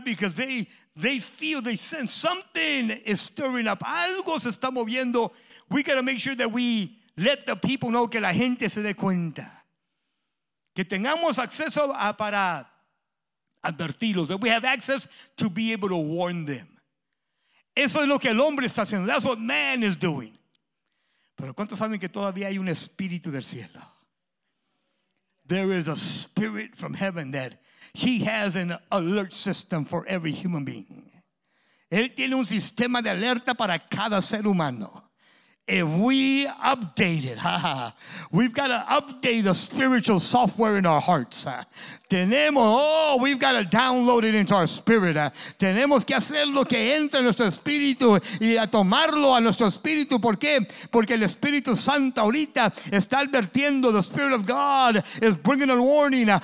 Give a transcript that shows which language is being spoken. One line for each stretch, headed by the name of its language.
English: Because they feel, they sense something is stirring up.
Spanish: Algo se está moviendo.
English: We got to make sure that we let the people know,
Spanish: que la gente se dé cuenta. Que tengamos acceso a, para advertirlos.
English: That we have access to be able to warn them.
Spanish: Eso es lo que el hombre está haciendo.
English: That's what man is doing.
Spanish: Pero ¿cuántos saben que todavía hay un espíritu del cielo?
English: There is a spirit from heaven that he has an alert system for every human being.
Spanish: Él tiene un sistema de alerta para cada ser humano.
English: If we update it, we've got to update the spiritual software in our hearts.
Spanish: Tenemos,
English: oh, we've got to download it into our spirit.
Spanish: Tenemos que hacer lo que entra en nuestro espíritu y a tomarlo a nuestro espíritu. ¿Por qué? Porque el Espíritu Santo ahorita está advirtiendo.
English: The Spirit of God is bringing a warning.